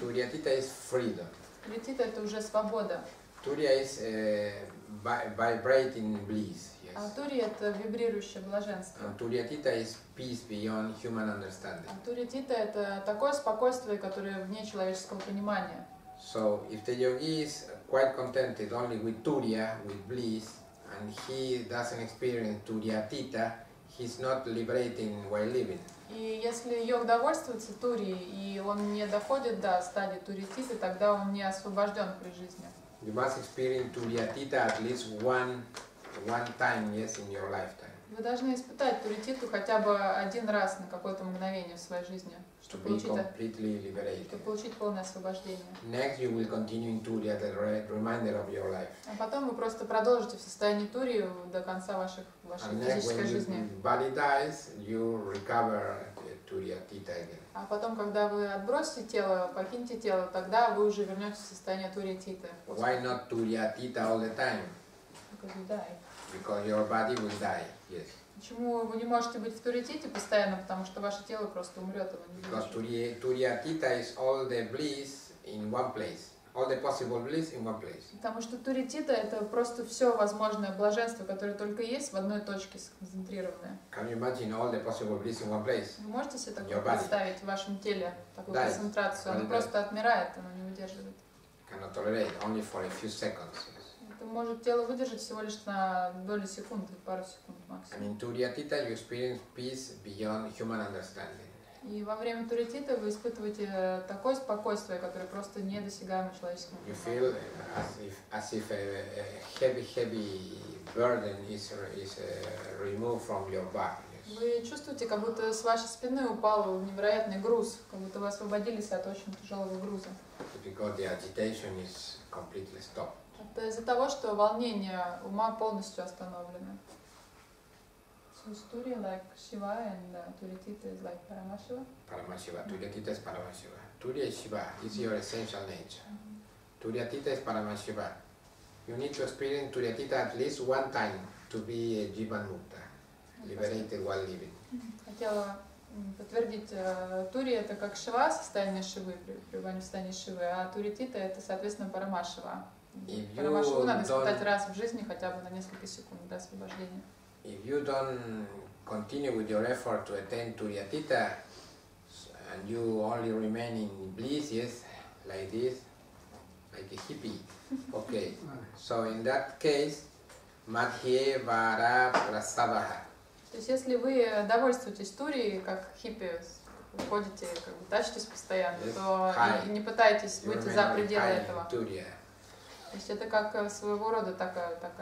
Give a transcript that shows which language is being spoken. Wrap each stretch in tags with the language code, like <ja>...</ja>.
<en>Турия Тита – is freedom.</en> <ru>Турия Тита – это уже свобода.</ru> <en>Турия – is vibrating bliss, yes.</en> <ru>А Турия – это вибрирующее блаженство.</ru> <en>Турия Тита – is peace beyond human understanding.</en> <ru>А Турия Тита – это такое спокойствие, которое вне человеческого понимания.</ru> <en>So, if the yogi is quite contented only with Turiya, with bliss, and he doesn't experience Turiya Tita, he's not liberating while living.</en> <ru>И если йог довольствуется Турией, и он не доходит до стадии Турия-Тита, тогда он не освобожден при жизни.</ru> <en>You must experience Турия-Тита at least one time, yes, in your lifetime.</en> <ru>Вы должны испытать Турия-Титу хотя бы один раз на какое-то мгновение в своей жизни, чтобы</ru> <en>completely liberated.</en> <ru>Чтобы получить полное освобождение.</ru> <en>Next you will continue in Turiya, the reminder of your life.</en> <ru>А потом вы просто продолжите в состоянии Турии до конца вашей физической жизни. А потом, когда вы отбросите тело, покинете тело, тогда вы уже вернетесь в состояние Турия-Тита.</ru> <en>Why not Turiya-Tita all the time? Because your body will die, yes.</en> <ru>Почему вы не можете быть в Турия-Тите постоянно? Потому что ваше тело просто умрет, оно не выживет.</ru> <en>Because Turiya-Tita is all the bliss in one place. All the possible bliss in one place.</en> <ru>Потому что туритита это просто все возможное блаженство, которое только есть в одной точке сконцентрированное.</ru> <en>Can you imagine all the possible bliss in one place?</en> <ru>Вы можете себе такое представить в вашем теле такую</ru> <en>that</en> <ru>концентрацию? Оно просто отмирает, оно не выдерживает.</ru> <en>Cannot tolerate only for a few seconds.</en> <ru>Это может тело выдержать всего лишь на долю секунды, пару секунд максимум.</ru> <en>In туритита you experience peace beyond human understanding.</en> <ru>И во время туритита вы испытываете такое спокойствие, которое просто недосягаемо человеческому пониманию.</ru> <en>You feel as if a heavy burden is removed from your back. Yes.</en> <ru>Вы чувствуете, как будто с вашей спины упал невероятный груз, как будто вы освободились от очень тяжелого груза.</ru> <en>Because the agitation is completely stopped.</en> <ru>Это из-за того, что волнение ума полностью остановлено.</ru> <en>Story like Shiva and Turitita is like Paramashiva. Paramashiva, Turitita is Paramashiva. Turi is Shiva, it's your essential nature. Mm-hmm. Turitita is Paramashiva. You need to experience Turitita at least one time to be a Jivan Mukta, liberated while living.</en> <ru>Хотела подтвердить, Тури это как Шива, состояние Шивы, пребывание в состоянии Шивы, а Турита это, соответственно, Парамашива. Парамашиву надо испытать раз в жизни, хотя бы на несколько секунд до освобождения.</ru> <en>If you don't continue with your effort to attain Turiyatita and you only remain in bliss, yes, like this, like a hippie, okay. So in that case, Madhye Vara Prasavaha.</en> <ru>То есть если вы довольствуетесь Турией, как хиппи, ходите, как бы тащитесь постоянно, то не пытайтесь выйти за пределы этого.</ru> <en>Turiya.</en> <ru>То есть это как своего рода такая...</ru>